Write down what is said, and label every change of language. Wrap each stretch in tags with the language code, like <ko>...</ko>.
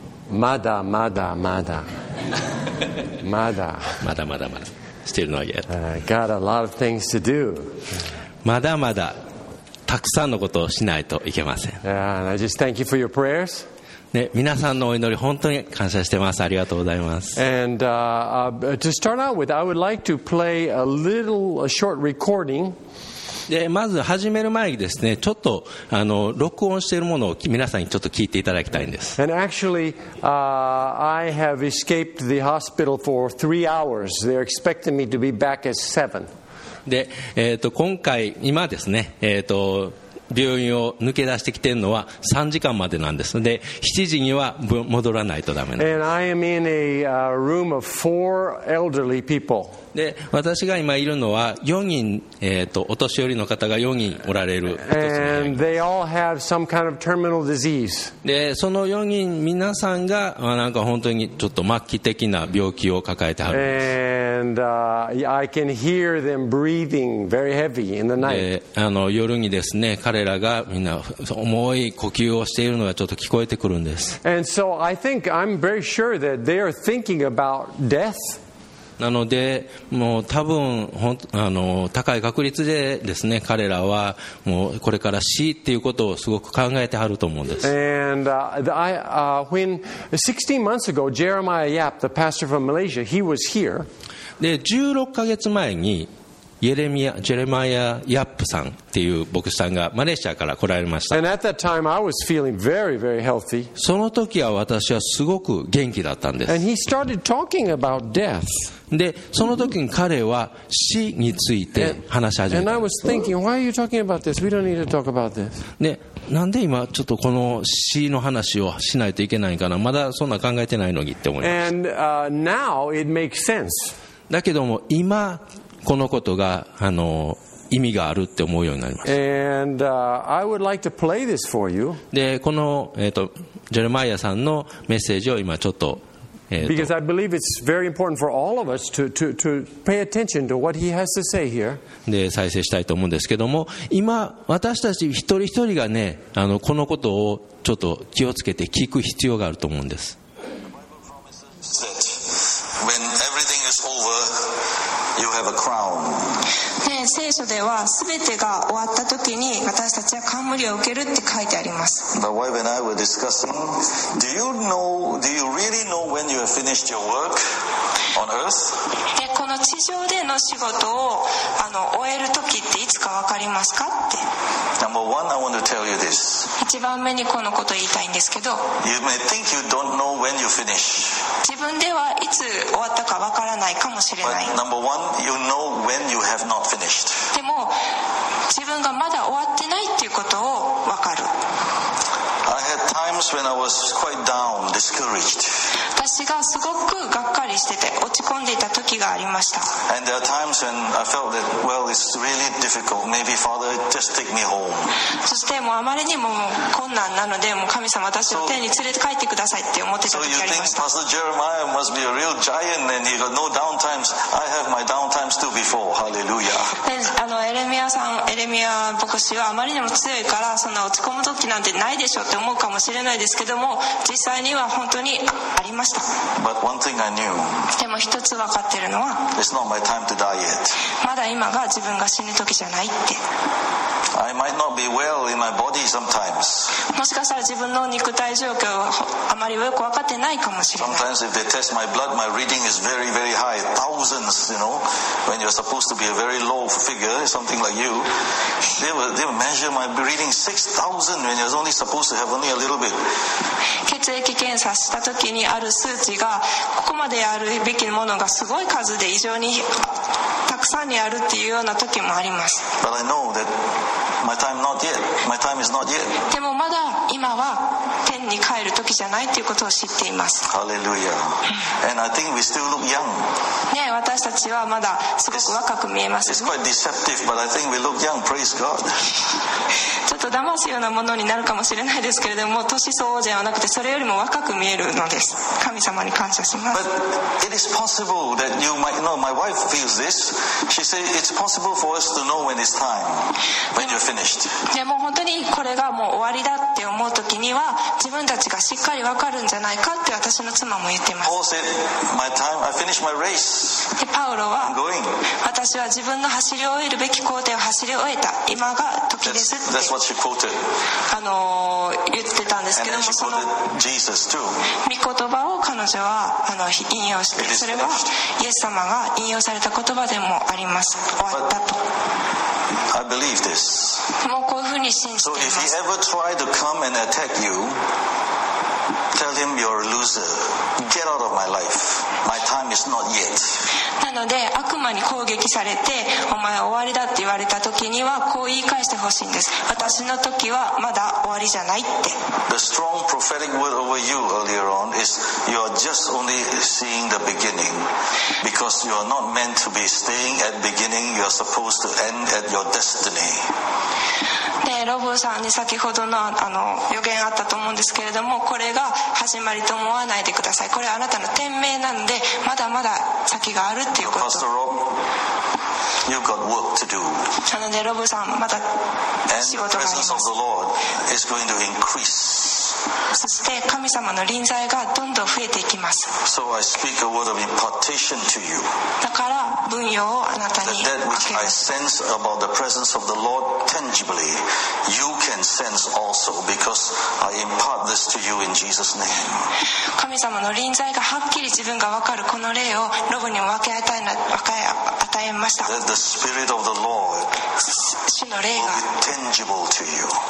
<ja>まだまだまだまだまだまだまだ</ja> <en>Still not yet. Got a lot of things to do.</en> <ja>まだまだたくさんのことをしないといけません。</ja> <en>And I just thank you for your prayers.、</en> <ja>ね、皆さんのお祈り本当に感謝してます。ありがとうございます。</ja> <en>And to start out with, I would like to play a little a short recording.</en> <ja>でまず始める前にですねちょっと録音しているものを皆さんにちょっと聞いていただきたいんです。</ja> <en>And actually, I have escaped the hospital for 3 hours. They're expecting me to be back at 7.</en> <ja>で、今回今ですね、病院を抜け出してきているのは3時間までなんです。で、7時には戻らないとダメなんです。</ja> <en>And I am in a room of 4 elderly people.</en> <ja>で私が今いるのは4人、お年寄りの方が4人おられる。</ja> <en>And they all have some kind of terminal disease.</en> <ja>でその4人皆さんが、まあ、なんか本当にちょっと末期的な病気を抱えてはるんです。</ja> <en>And I can hear them breathing very heavy in the night.</en> <ja>で夜にですね彼らがみんな重い呼吸をしているのがちょっと聞こえてくるんです。</ja> <en>And so I think I'm very sure that they are thinking about death</en> <ja>なのでもう多分高い確率でですね彼らはもうこれから死っていうことをすごく考えてはると思うんです。</ja> <en>And when 16 months ago Jeremiah Yap, the pastor from Malaysia, he was here.</en> <ja>で16ヶ月前にジェレマイア・ヤップさんっていう牧師さんがマレーシアから来られました。</ja> <en>And at that time, I was feeling very, very healthy.</en> <ja>その時は私はすごく元気だったんです。</ja> <en>And he started talking about death.</en> <ja>でその時に彼は死について話し始めた。</ja> <en>And I was thinking, why are you talking about this? We don't need to talk about this.</en> <ja>でなんで今ちょっとこの死の話をしないといけないかな、まだそんな考えてないのにって思いました。</ja> <en>And now it makes sense.</en> <ja>だけども今このことが意味があるって思うようになります。</ja> <en>And, I would like to play this for you.</en> <ja>でこの、ジェレマイアさんのメッセージを今ちょっと、</ja> <en>Because I believe it's very important for all of us to pay attention to what he has to say here.</en> <ja>で再生したいと思うんですけども今私たち一人一人がねこのことをちょっと気をつけて聞く必要があると思うんです。</ja> <en>When everything is over, you have a crown.</en> <ja>聖書では全てが終わった時に私たちは冠を受けるって書いてあります。</ja> <en>My wife and I were discussing, do you know, do you really know when you have finished your work on earth?</en> <ja>で、この地上での仕事を終える時っていつか分かりますかって。</ja> <en>Number one, I want to tell you this.</en> <ja>一番目にこのことを言いたいんですけど、</ja> <en>You may think you don't know when you finish.</en> <ja>自分ではいつ終わったか分からないかもしれない。</ja> <en>But number one, you know when you have not finished.</en> <ja>でも自分がまだ終わってないっていうことを分かる。</ja> <en>I had times when I was quite down, discouraged.</en> <ja>私がすごくがっかりしてて落ち込んでいた時がありました。</ja> <en>And there are times when I felt that, well, it's really difficult. Maybe Father, just take me home.</en> <ja>そしてもうあまりにも困難なので、もう神様、私を天に連れて帰ってくださいって思ってた時がありました。</ja> <en>So you think Pastor Jeremiah must be a real giant and he got no down times. I have my down times too before. Hallelujah.</en> <ja>エレミアさん、エレミア牧師はあまりにも強いから、そんな落ち込む時なんてないでしょうって思うかもしれないですけども、実際には本当にありました。</ja> <en>But one thing I knew,</en> <ja>でも一つ分かってるのは、</ja> <en>It's not my time to die yet.</en> <ja>まだ今が自分が死ぬ時じゃないって。</ja> <en>I might not be well in my body sometimes.</en> <ja>もしかしたら自分の肉体状況はあまりよく分かってないかもしれない。</ja> <en>Sometimes if they test my blood, my reading is very, very high, thousands, you know, when you're supposed to be a very low figure, something like you, they will measure my reading 6,000 when you're only supposed to have only a little bit.</en> <ja>血液検査した時にある数値がここまであるべきものがすごい数で異常にたくさんにあるっていうような時もあります。</ja> <en>But I know that my time not yet. My time is not yet.</en> <ja>でもまだ今は天に帰る時じゃないっていうことを知っています。</ja> <en>Hallelujah. And I think we still look young.</en> <ja>ね、私たちはまだすごく若く見えますね。</ja> <en>It's quite deceptive, but I think we look young. Praise God.</en> <ja>ちょっと騙すようなものになるかもしれないですけれども、年相応ではなくてそれよりも若く見えるのです。神様に感謝します。</ja> <en>But it is possible that you might know. My wife feels this. She says it's possible for us to know when it's time, when you're finished.</en> <ja>でも本当にこれがもう終わりだって思う時には自分たちがしっかり分かるんじゃないかって私の妻も言っています。 Paul said, my time, I finished my race. でパウロは、私は自分の走り終えるべき工程を走り終えた、今が時ですって言ってたんですけども、その御言葉を彼女は引用して、それはイエス様が引用された言葉でもあります。終わったと。</ja> <en>I believe this.</en> <ja>もうこういうふうに信じています。</ja> <en>So if he ever tried to come and attack you, tell him you're a loser. Get out of my life. My time is not yet.</en> <ja>なので悪魔に攻撃されてお前終わりだって言われた時にはこう言い返してほしいんです。私の時はまだ終わりじゃないって。</ja> <en>The strong prophetic word over you earlier on is you are just only seeing the beginning because you are not meant to be staying at beginning. You are supposed to end at your destiny.</en> <ja>ロブさんに先ほど の予言あったと思うんですけれども、これが始まりと思わないでください。これはあなたの天命なんで、まだまだ先があるっていうこと。</ja> <en>Pastor Rob, you've got work to do.</en> <ja>なのでロブさん、まだ仕事があります。</ja> <en>And the presence of the Lord is going to increase.</en> <ja>そして神様の臨在がどんどん増えていきます。</ja> <en>So I speak a word of impartation to you.</en> <ja>だから分用をあなたに明けます。</ja> <en>That which I sense about the presence of the Lord tangiblyYou can sense also because I impart this to you in Jesus' name.</en> <ja>神様の臨在がはっきり自分が分かるこの霊をロブにも分け与えました。</ja> <en>That the Spirit of the Lord will be tangible to you.</en>